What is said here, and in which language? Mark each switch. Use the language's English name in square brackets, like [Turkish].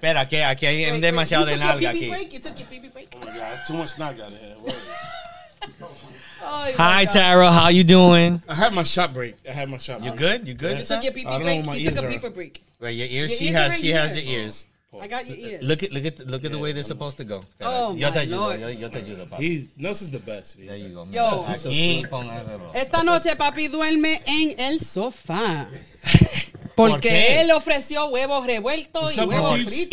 [Spanish] Espera, que aquí hay demasiado de nalga aquí. [English] You took your pee break. Oh my God, it's too much nalga in here. Hi, Tara, how you doing? I had my shot break. You good? You good? Yeah. You took your pee break. You took a peeper break. Right, your ears. She has your ears. I got your ears. Look at the way they're supposed to go. Oh, my Lord. Nuss is the best. Yeah. There you go. Yo. [Spanish] So esta noche, papi, duerme en el sofá. Porque ¿Por él ofreció huevos revueltos y huevos fritos.